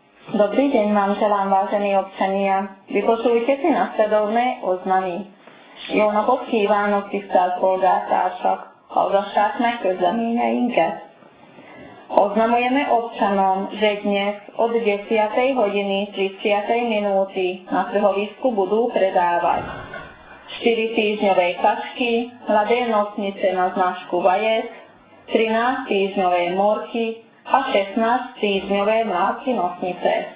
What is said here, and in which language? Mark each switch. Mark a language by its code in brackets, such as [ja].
[sk] Dobrý deň, mám želám vážení občania. Vypočujte si nasledovné oznamy. [hu] Jó napot kívánok, tisztelt polgártársak! Hallgassák meg közleményeinket! [sk] Oznamujeme občanom, že dnes od 10. hodiny 30. minúty na trhovisku budú predávať 4 týždňové kašky, mladé nosnice na značku vajec, 13 týždňové morky a 16 týždňové mláky nosnice.